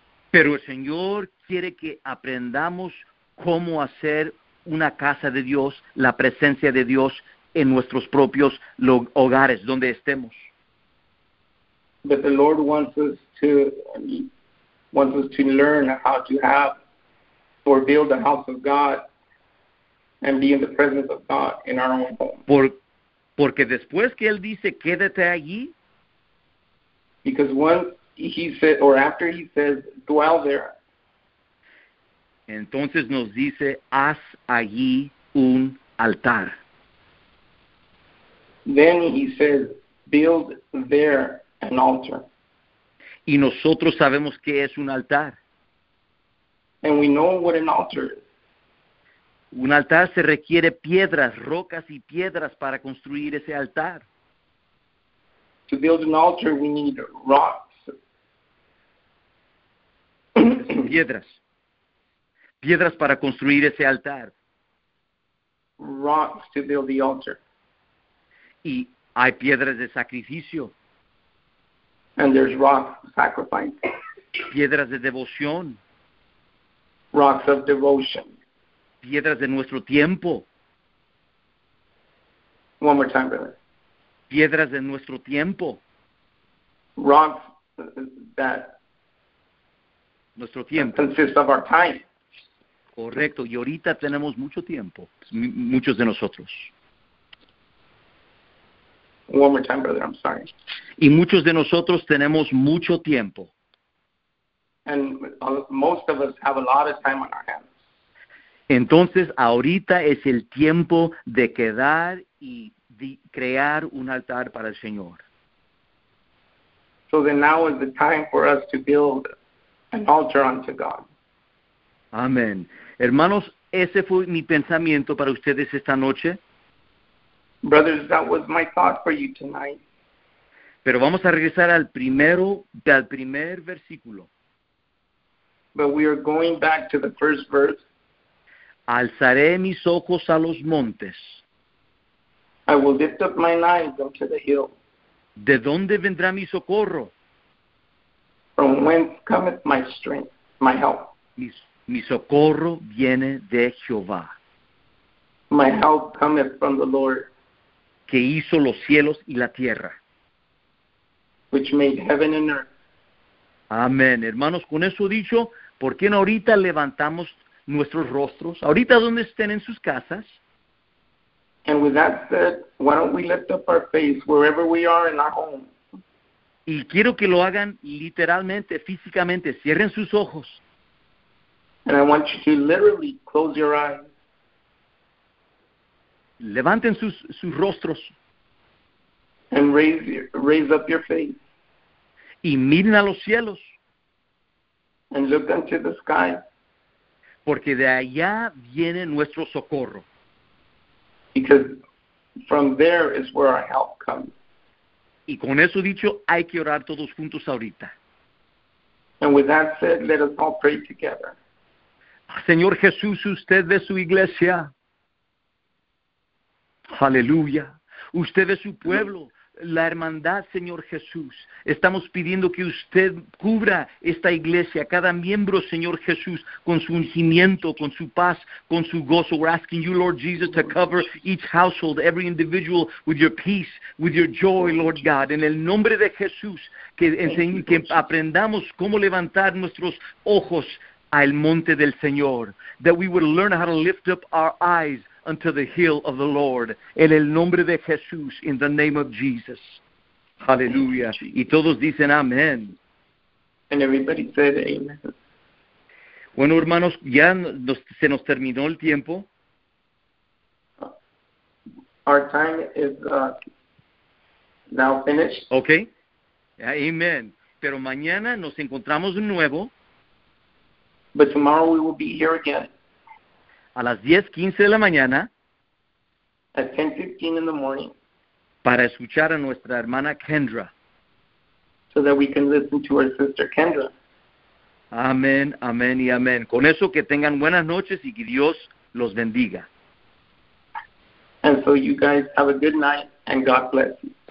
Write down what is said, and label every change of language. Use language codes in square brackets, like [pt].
[es] Pero el Señor quiere que aprendamos cómo hacer una casa de Dios, la presencia de Dios en nuestros propios hogares, donde estemos. [en] But the Lord wants us to learn how to have or build a house of God and be in the presence of God in our own home. [es] Porque después que Él dice, quédate allí. [en] Because once He said, or after He says, dwell there. [es] Entonces nos dice, haz allí un altar. [en] Then he says, build there an altar. [es] Y nosotros sabemos qué es un altar. [en] And we know what an altar is. [es] Un altar se requiere piedras, rocas y piedras para construir ese altar. [en] To build an altar, we need rocks. [es] Piedras. Piedras para construir ese altar. [en] Rocks to build the altar. [es] Y hay piedras de sacrificio. [en] And there's rocks of sacrifice. [es] Piedras de devoción. [en] Rocks of devotion. [es] Piedras de nuestro tiempo. [en] One more time, brother. [es] Piedras de nuestro tiempo. [en] Rocks that [es] nuestro tiempo [en] consist of our time. [es] Correcto, y ahorita tenemos mucho tiempo, muchos de nosotros. [en] One more time, brother, I'm sorry. [es] Y muchos de nosotros tenemos mucho tiempo. [en] And most of us have a lot of time on our hands. [es] Entonces, ahorita es el tiempo de quedar y crear un altar para el Señor. [en] So then now is the time for us to build an altar unto God. [es] Amén. Hermanos, ese fue mi pensamiento para ustedes esta noche. [en] Brothers, that was my thought for you tonight. [es] Pero vamos a regresar al primer versículo. [en] But we are going back to the first verse. [es] Alzaré mis ojos a los montes. [en] I will lift up my eyes unto the hill. [es] ¿De dónde vendrá mi socorro? [en] From whence cometh my strength, my help. [es] Mi socorro viene de Jehová. [en] My help cometh from the Lord. [es] Que hizo los cielos y la tierra. [en] Which made heaven and earth. [es] Amén. Hermanos, con eso dicho, ¿por qué no ahorita levantamos nuestros rostros? Ahorita donde estén en sus casas. [en] And with that said, why don't we lift up our face wherever we are in our home? [es] Y quiero que lo hagan literalmente, físicamente. Cierren sus ojos. [en] And I want you to literally close your eyes. [es] Levanten sus rostros. [en] And raise up your face. [es] Y miren a los cielos. [en] And look unto the sky. [es] Porque de allá viene nuestro socorro. [en] Because from there is where our help comes. [es] Y con eso dicho, hay que orar todos juntos ahorita. [en] And with that said, let us all pray together. [es] Señor Jesús, usted de su iglesia. Aleluya. Usted de su pueblo. La hermandad, Señor Jesús, estamos pidiendo que usted cubra esta iglesia, cada miembro, Señor Jesús, con su ungimiento, con su paz, con su gozo. [en] We're asking you, Lord Jesus, to cover each household, every individual, with your peace, with your joy, Lord God. [es] En el nombre de Jesús, que aprendamos cómo levantar nuestros ojos al monte del Señor. [en] That we would learn how to lift up our eyes unto the hill of the Lord. [es] En el nombre de Jesús, [en] in the name of Jesus. Hallelujah. [es] Y todos dicen amén. [en] And everybody said amen. [es] Bueno, hermanos, ya se nos terminó el tiempo. [en] Our time is now finished. Okay. Amen. [es] Pero mañana nos encontramos de nuevo. [en] But tomorrow we will be here again. [es] A las 10:15 de la mañana. [en] At 10:15 in the morning. [es] Para escuchar a nuestra hermana Kendra. [en] So that we can listen to our sister Kendra. [es] Amén, amén y amén. Con eso que tengan buenas noches y que Dios los bendiga. [en] And so you guys have a good night and God bless you.